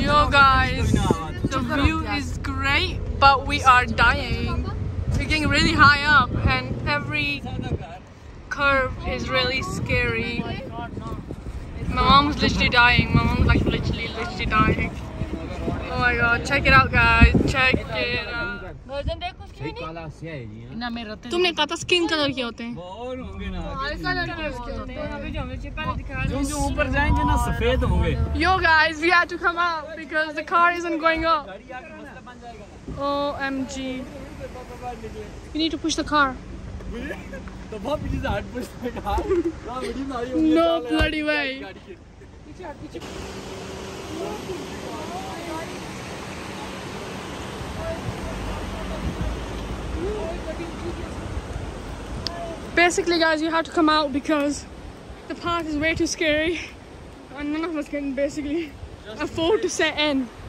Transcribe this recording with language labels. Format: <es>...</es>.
<en>Yo guys, the view is great, but we are dying. We're getting really high up and every curve is really scary. My mom's literally dying. My mom's like literally dying. Oh my god, check it out guys, check it out.</en> <hi>तुमने कहा था skin colour के होते हैं जो ऊपर जाएंगे ना सफेद होंगे</hi> <en>yo guys we have to come out because the car isn't going up OMG you need to push the car</en> <hi>तो भाभी जी हट</hi> <en>push the car</en> <hi>ना मेरी नहीं हो नो ब्लडी वे पीछे</hi> <en>Basically, guys, you have to come out because the path is way too scary, and none of us can basically just afford to set in.</en>